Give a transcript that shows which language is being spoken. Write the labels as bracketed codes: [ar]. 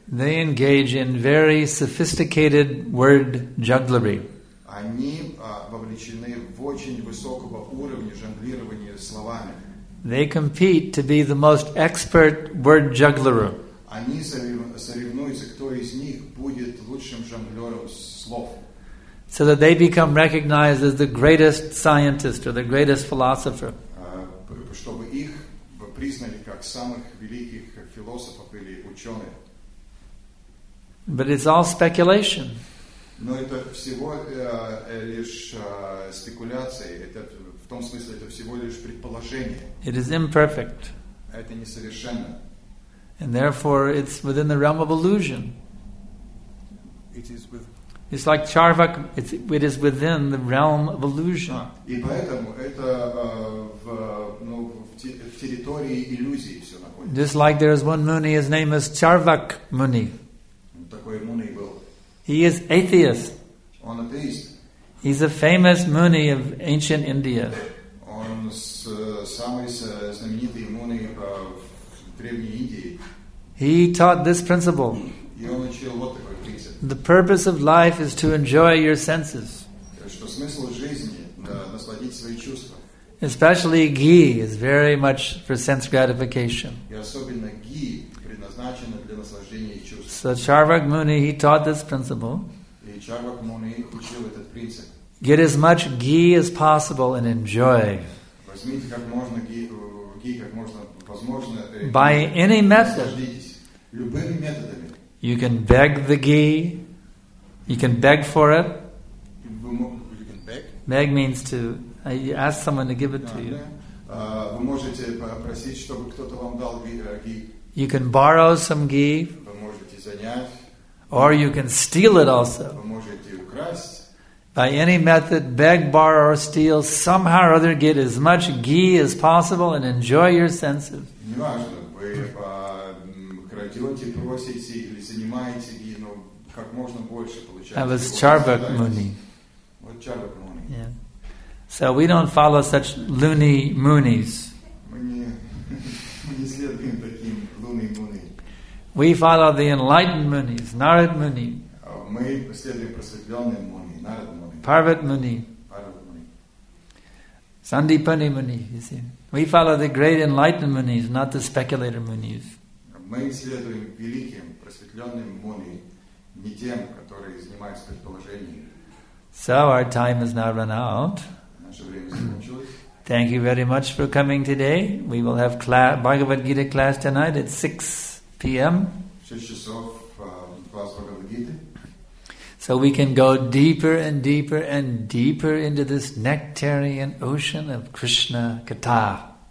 [en] They engage in very sophisticated word jugglery. [ru] Они вовлечены в очень высокого уровня жонглирования словами. [en] They compete to be the most expert word juggler. [ru] Они соревнуются, кто из них будет лучшим жонглером слов. [en] So that they become recognized as the greatest scientist or the greatest philosopher. [ru] Чтобы их признали как самых великих философов или ученых. [en] But it's all speculation. [ru] Но это всего лишь спекуляции. Это в том смысле, это всего лишь предположение. [en] It is imperfect. [ru] Это несовершенно. [en] And therefore, it's within the realm of illusion. It is with. It's like Charvak. It is within the realm of illusion. [ru] И поэтому это в в территории иллюзии все находится. [en] Just like there is one Muni, his name is Charvak Muni. [ru] Такой Муни был. [en] He is atheist. [ru] Он атеист. [en] He's a famous Muni of ancient India. [ru] Он самый знаменитый Муни в древней Индии. [en] He taught this principle. [ru] И он учил вот такой принцип. [en] The purpose of life is to enjoy your senses. [ru] Что смысл жизни? Насладить свои чувства. [en] Especially ghee is very much for sense gratification. [ru] И особенно ghee предназначено для наслаждения чувств. [en] So Charvak Muni, he taught this principle. [ru] И Charvak Muni учил этот принцип. [en] Get as much ghee as possible and enjoy. [ru] Возьмите как можно ghee как можно возможно. [en] By any method. [ru] Любыми методами. [en] You can beg the ghee. You can beg for it. You can beg. Beg means to ask someone to give it to you. [ru] Вы можете попросить, чтобы кто-то вам дал ghee. [en] You can borrow some ghee. [ru] Вы можете занять. [en] Or you can steal it also. [ru] Вы можете украсть. [en] By any method, beg, borrow, or steal, somehow or other, get as much ghee as possible and enjoy your senses. [ru] Не важно, вы крадете, просите или занимаете ghee, но как можно больше получать. [en] That was Charvak Muni. [ru] Вот Charvak Muni. [en] Yeah. So we don't follow such loony moonies. [ru] Мы не следуем таким [en] loony moony. We follow the enlightened moonies, Narad Muni. [ru] Мы следуем просветленным Муни, Narad Muni. [en] Parvat Muni. Sandipani Muni, you see. We follow the great enlightened Munis, not the speculator Munis. [ru] Мы следуем великим, просветленным Муни, не тем, которые занимаются предположением. [en] So our time has now run out. [ru] Наше время закончилось. [en] Thank you very much for coming today. We will have Bhagavad Gita class tonight at 6 p.m. [ru] 6 часов класс Бхагавад Гиты. [en] So we can go deeper and deeper and deeper into this nectarian ocean of Krishna Katha.